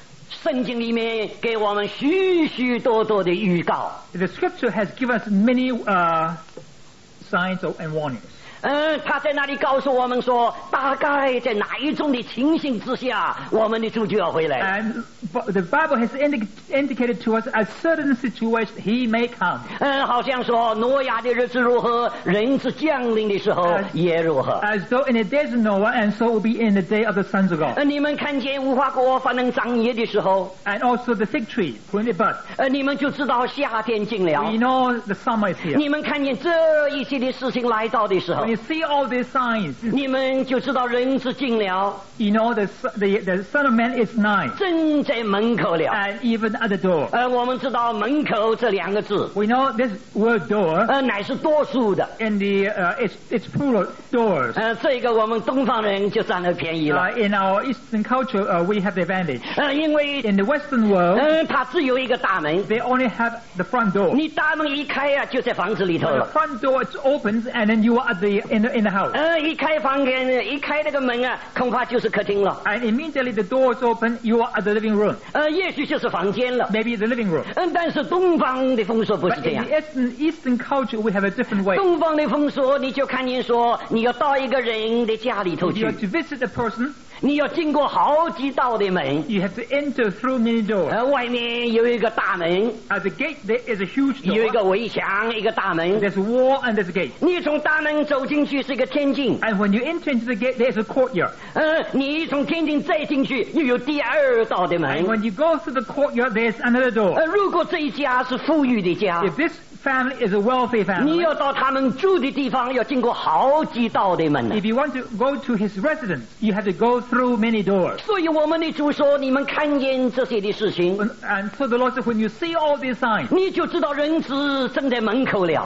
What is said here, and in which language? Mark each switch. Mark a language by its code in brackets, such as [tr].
[zh] 圣经里面给我们许许多多的预告。 [en] The scripture has given us many signs and warnings. [zh] 他在那里告诉我们说，大概在哪一种的情形之下，我们的主就要回来。 [en] And the Bible has indicated to us a certain situation he may come. [zh] 好像说挪亚的日子如何，人子降临的时候也如何。 [en] As though in the days of Noah, and so will be in the day of the sons of God. [zh] 你们看见无花果反能长叶的时候。 [en] And also the fig tree when it buds. [zh] 你们就知道夏天近了。 [en] We know the summer is here. [zh] 你们看见这一些的事情来到的时候。 [en] When you see all these signs, [zh] 你们就知道人子近了。 [en] You know the Son of Man is nigh. [zh] 正在门口了。 [en] And even at the door. [zh] 我们知道门口这两个字。 [en] We know this word door. [zh] 乃是多数的。 [en] And the it's plural doors. [zh] 这个我们东方人就占了便宜了。 [en] In our Eastern culture, we have the advantage. [zh] 因为 [en] in the Western world, [zh] 它只有一个大门。 [en] They only have the front door. [zh] 你大门一开啊，就在房子里头了。 [en] The front door it opens, and then you are at the house. [zh] 一开房间，一开那个门啊，恐怕就是客厅了。 [en] And immediately the doors open, you are at the living room. [zh] 也许就是房间了。 [en] Maybe the living room. [zh] 但是东方的风俗不是这样。 [en] But in the Eastern culture, we have a different way. [zh] 东方的风俗，你就看见说，你要到一个人的家里头去。 [en] You have to visit a person. [zh] 你要经过好几道的门 [en] You have to enter through many doors [zh] 外面有一个大门 [en] At the gate there is a huge door [zh] 有一个围墙一个大门 [en] There's a wall and there's a gate [zh] 你从大门走进去是一个天井 [en] And when you enter into the gate there's a courtyard [zh] 你从天井再进去又有第二道的门 [en] And when you go through the courtyard there's another door [zh] 如果这一家是富裕的家 [en] If this family is a wealthy family, [zh] 你要到他们住的地方要经过好几道的门。 [en] If you want to go to his residence, you have to go through many doors. [zh] 所以我们的主说，你们看见这些的事情。 [en] And so the Lord said, when you see all these signs, [zh] 你就知道人子正在门口了。